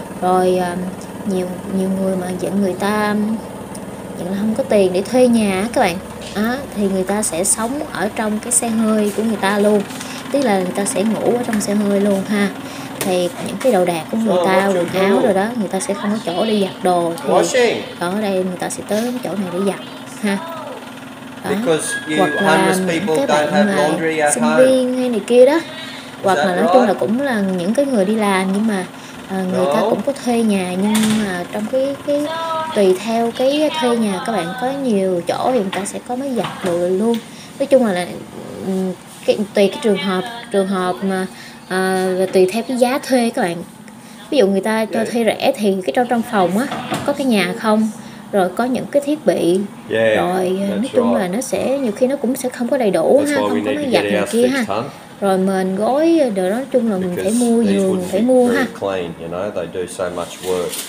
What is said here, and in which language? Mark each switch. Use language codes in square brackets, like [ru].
[vi] rồi nhiều nhiều người mà dẫn người ta dẫn là không có tiền để thuê nhà các bạn, thì người ta sẽ sống ở trong cái xe hơi của người ta luôn, tức là người ta sẽ ngủ ở trong xe hơi luôn ha. Thì những cái đồ đạc của người ta, quần áo rồi đó, người ta sẽ không có chỗ đi giặt đồ, thì ở đây người ta sẽ tới chỗ này để giặt ha. [en] Because you homeless people don't have laundry at [vi] home. Sinh viên hay này kia đó. Hoặc là nói chung là cũng là những cái người đi làm, nhưng mà người ta cũng có thuê nhà, nhưng mà trong cái tùy theo cái thuê nhà các bạn có nhiều chỗ thì người ta sẽ có máy giặt đồ luôn. Nói chung là cái tùy cái trường hợp mà tùy theo cái giá thuê các bạn. Ví dụ người ta cho thuê rẻ thì cái trong phòng á có cái nhà không? Rồi có những cái thiết bị, yeah, rồi nói chung là nó sẽ nhiều khi nó cũng sẽ không có đầy đủ ha, không có máy giặt này kia ha, rồi mền gối đồ, nói chung là mình phải mua giường, mình phải mua ha. [en] Clean, you know, they do so much work.